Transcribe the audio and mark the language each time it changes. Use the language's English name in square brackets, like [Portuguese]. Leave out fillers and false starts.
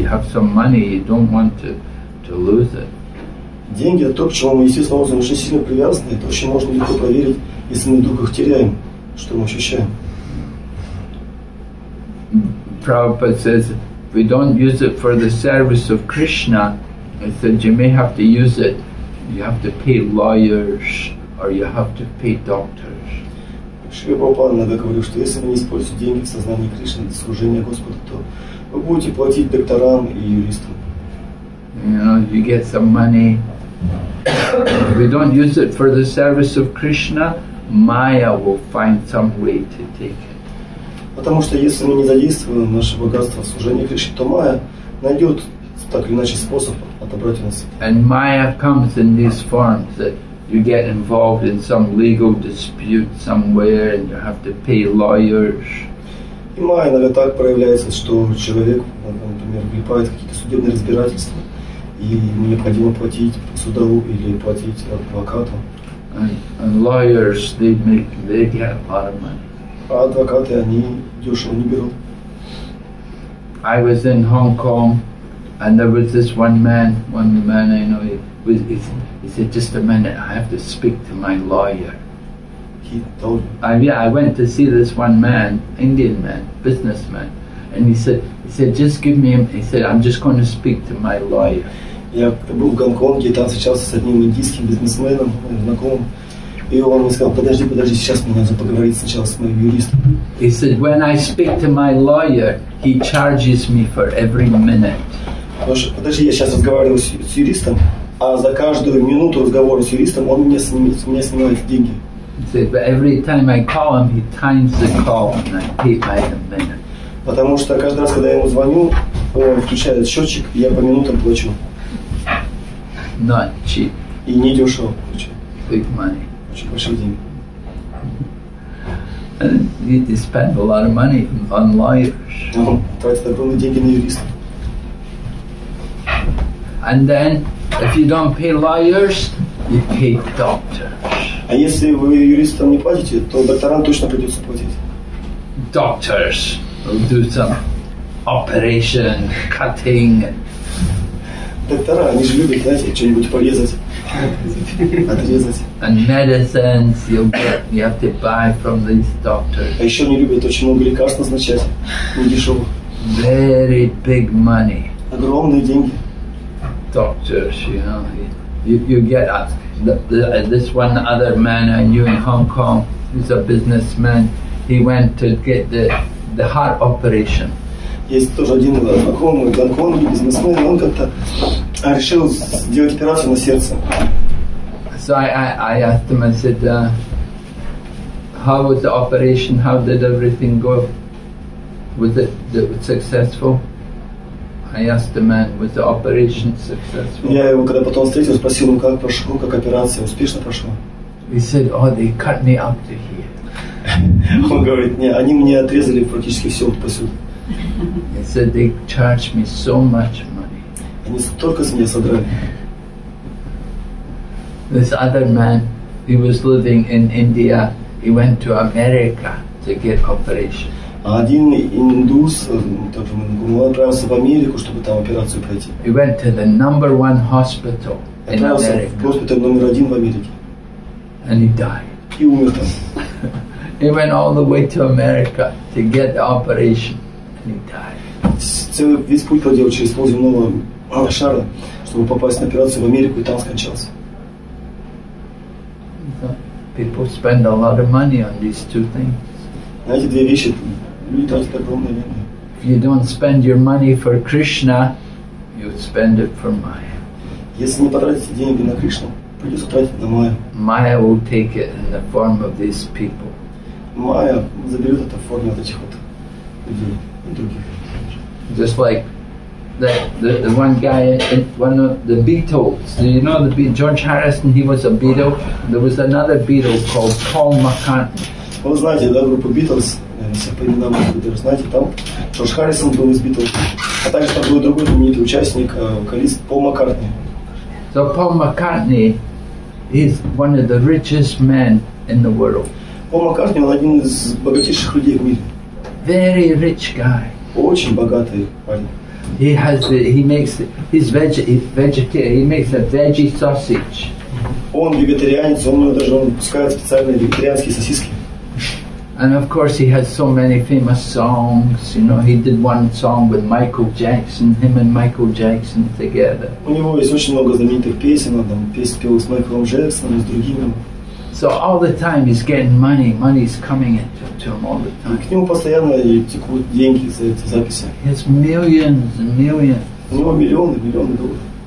[English] You have some money, you don't want to lose it. [Russian] Деньги – то, к чему мы, естественно, образом, очень сильно привязаны. Это вообще можно легко поверить, если мы вдруг их теряем, что мы ощущаем. [English] Prabhupada says, we don't use it for the service of Krishna. He said, you may have to use it. You have to pay lawyers or you have to pay doctors. [Russian] Шри Прабхупада говорил, что если вы не используете деньги в сознании Кришны для служения Господу, то вы будете платить докторам и юристам. [English] You know, you get some money. If we don't use it for the service of Krishna, Maya will find some way to take it. [Russian] Потому что если мы не задействуем наше богатство в служении Кришне, то Майя найдет так или иначе способ отобрать у нас. [English] And Maya comes in these forms that you get involved in some legal dispute somewhere and you have to pay lawyers. [Russian] И Майя иногда так проявляется, что человек, например, влипает в какие-то судебные разбирательства, и ему необходимо платить судову или платить адвокату. [English] And lawyers, they get a lot of money. [Russian] А адвокаты, они дешево не берут. [English] I was in Hong Kong, and there was this one man I know, he said, just a minute, I have to speak to my lawyer. He told you? I went to see this one man, Indian man, businessman, and he said, just give me, he said, I'm just going to speak to my lawyer. [Russian] Я был в Гонконге, там встречался с одним индийским бизнесменом, знакомым. И он мне сказал, подожди, сейчас мне надо поговорить сначала с моим юристом. [English] He said, when I speak to my lawyer, he charges me for every minute. [Russian] Подожди, я сейчас разговариваю с юристом, а за каждую минуту разговора с юристом он мне снимает деньги. [English] He said, but every time I call him, he times the call and I pay by the minute. [Russian] Потому что каждый раз, когда я ему звоню, он включает счетчик, и я по минутам плачу. [English] Not cheap. [Russian] И не дешево плачу. [English] Big money. [Russian] Очень большие деньги. [English] And you need to spend a lot of money on lawyers. [Russian] Тратить огромные деньги на юриста. [English] And then, if you don't pay lawyers, you pay doctors. [Russian] А если вы юристам не платите, то докторам точно придется платить. [English] Doctors will do some operation, cutting. [Russian] Доктора, они же любят, знаете, что-нибудь порезать. [English] And medicines you have to buy from these doctors. [Russian] А еще не любят очень много лекарств назначать, не дешево. [English] Very big money. [Russian] Огромные деньги. [English] Doctors, you know, you get us. This one other man I knew in Hong Kong, he's a businessman. He went to get the heart operation. [Russian] Есть тоже один знакомый в Гонконге бизнесмен, он как-то решил сделать операцию на сердце. [English] So I asked him, I said, how was the operation, how did everything go? Was it successful? I asked the man, was the operation successful? [Russian] Я его когда потом встретил, спросил ему, как прошло, как операция, успешно прошла? [English] He said, oh, they cut me up to here. [Russian] Он говорит, не, они мне отрезали практически все вот посюда. [English] He said, they charged me so much money. [Russian] Они столько с меня содрали. [English] This other man, He was living in India. He went to America to get operation. [Russian] Один индус, он отправился в Америку, чтобы там операцию пройти. [English] He went to the number one hospital in America. [Russian] Отправился в госпиталь номер один в Америке. [English] And he died. [Russian] И умер там. [English] He went all the way to America to get the operation, and he died. [Russian] Целый весь путь проделал через полземного шара, чтобы попасть на операцию в Америку, и там скончался. [English] People spend a lot of money on these two things. [Russian] Знаете, две вещи, люди тратят огромное время. [English] If you don't spend your money for Krishna, you'll spend it for Maya. [Russian] Если не потратите деньги на Кришну, придется тратить на Майя. [English] Maya will take it in the form of these people. [Russian] Майя заберет это в форме вот этих вот людей и других. [English] Just like the one guy, one of the Beatles. Do you know the Beatles? George Harrison, he was a Beatle. There was another Beatle called Paul McCartney. [Russian] Вы знаете, да, группу Beatles, если по именам вы знаете, там Джордж Харрисон был из Beatles, а также там был другой знаменитый участник, вокалист Пол Маккартни. [English] So Paul McCartney is one of the richest men in the world. [Russian] Пол Маккартни, он один из богатейших людей в мире. [English] Very rich guy. [Russian] Очень богатый парень. [English] He has the, he makes the, he's vegetarian, he makes a veggie sausage. [Russian] Он вегетарианец, он даже он выпускает специальные вегетарианские сосиски. [English] And of course he has so many famous songs, you know, he did one song with Michael Jackson, him and Michael Jackson together. [Russian] У него есть очень много знаменитых песен, он там песни пел с Майклом Джексоном и с другими. [English] So all the time he's getting money. Money's coming into him all the time. [Russian] К нему постоянно текут деньги за эти записи. [English] He has millions and millions. [Russian] У него миллионы, миллионы долларов.